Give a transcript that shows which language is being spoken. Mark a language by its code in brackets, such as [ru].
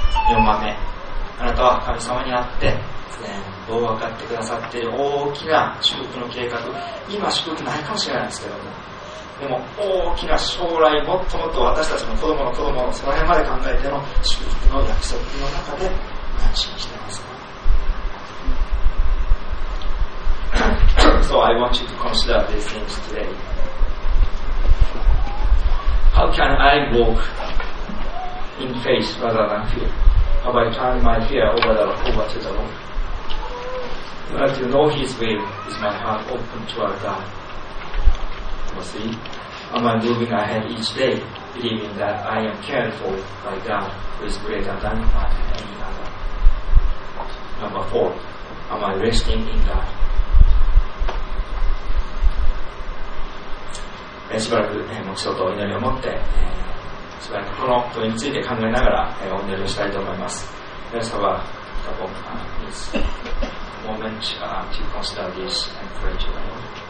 [ja] 4番目、あなたは神様にあって全部分かってくださっている大きな祝福の計画、今祝福ないかもしれないですけども、でも大きな将来もっともっと私たちの子供の子供のその辺まで考えての祝福の約束の中で安心していますか。 [en] So I want you to consider these things today. How can I walk in faith rather than fear? Have I turned my fear over to the Lord? Do I have to know His will? Is my heart open to our God? See, am I moving ahead each day, believing that I am cared for by God who is greater than any other? Number four, am I resting in God? [ja] しばらく目標と祈りを持ってしばらくこの問いについて考えながら、お祈りをしたいと思います。 [en] 皆様、please, moment, to consider this and pray to the Lord.